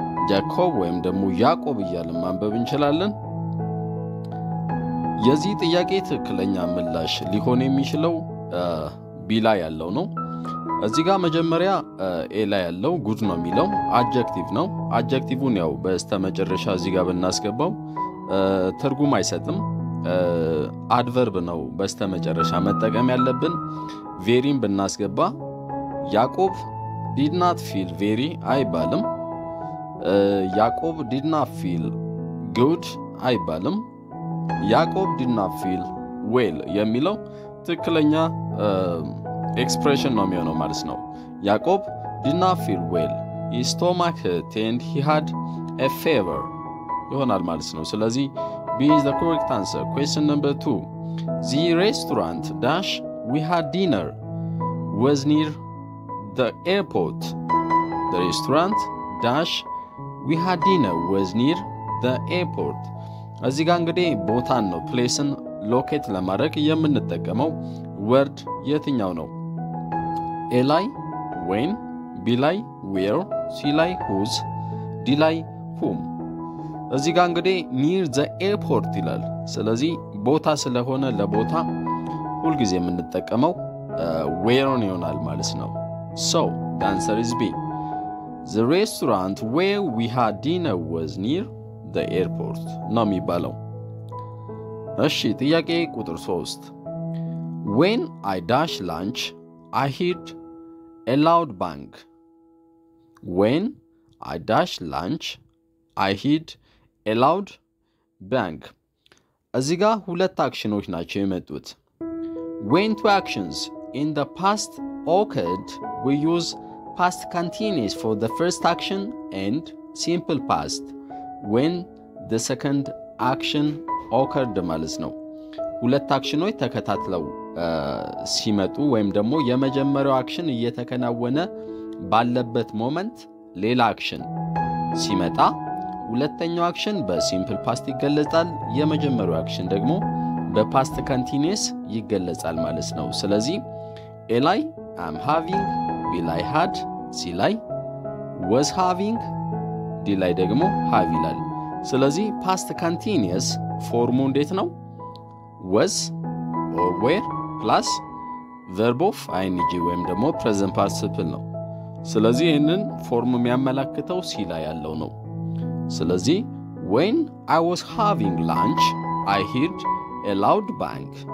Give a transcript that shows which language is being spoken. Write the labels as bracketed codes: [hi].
[am] Jacob ወይም ደግሞ ያዕቆብ ይላል ማንበብ እንችላለን። የዚህ ጥያቄ ትክክለኛ ምላሽ ሊሆን የሚችለው ቢ ላይ ያለው ነው። እዚህ ጋር መጀመሪያ ኤ ላይ ያለው ጉድ ነው የሚለው አጀክቲቭ ነው። አጀክቲቭውን ያው በስተመጨረሻ እዚህ ጋር እናስገባው ትርጉም አይሰጥም። አድቨርብ ነው በስተመጨረሻ መጠቀም ያለብን። ቬሪን ብናስገባ ያዕቆብ [en] did not feel very [am] አይባልም። [en] ያዕቆብ did not feel good [am] አይባልም። [en] ያዕቆብ did not feel well [am] የሚለው ትክክለኛ [en] expression [am] ነው የሚሆነው ማለት ነው። [en] Jacob did not feel well. His stomach hurt and he had a fever. [am] ይሆናል ማለት ነው። ስለዚህ [en] B is the correct answer. Question number 2. The restaurant dash we had dinner was near the airport. The restaurant dash we had dinner was near the airport. [am] እዚህ ጋር እንግዲህ ቦታን ነው place-ን locate ለማድረግ የምንጠቀመው። word የትኛው ነው? [en] A lie, when, B lie, where, C lie, whose, D lie, whom. [am] እዚህ ጋር እንግዲህ [en] near the airport [am] ይላል። ስለዚህ ቦታ ስለሆነ ለቦታ ሁልጊዜ የምንጠቀመው where ነው ይሆናል ማለት ነው። [en] So, the answer is B. The restaurant where we had dinner was near the airport. [am] ነው የሚባለው። እሺ ጥያቄ ቁጥር 3. [en] When I dash lunch, I heard a loud bang. When I dash lunch, I heard a loud bang. [am] እዚህ ጋር ሁለት አክሽኖች ናቸው የመጡት። [en] When two actions in the past occurred, we use past continuous for the first action and simple past when the second action occurred [am] ማለት ነው። ሁለት አክሽኖች ተከታትለው ሲመጡ ወይም ደግሞ የመጀመሪያው አክሽን እየተከናወነ ባለበት ሞመንት ሌላ አክሽን ሲመጣ ሁለተኛው አክሽን በሲምፕል ፓስት ይገለጻል፣ የመጀመሪያው አክሽን ደግሞ በፓስት ኮንቲኒዩስ ይገለጻል ማለት ነው። ስለዚህ [en] A lie, I'm having, B lie, had, C lie, was having, D lie [am] ደግሞ [en] have [am] ይላል። ስለዚህ ፓስት ኮንቲኒዩስ ፎርሙ እንዴት ነው? [en] was or were plus verb of ing [am] ወይም ደግሞ [en] present participle [am] ነው። ስለዚህ ይህንን ፎርም የሚያመላክተው ሲ ላይ ያለው ነው። ስለዚህ [en] when I was having lunch, I heard a loud bang.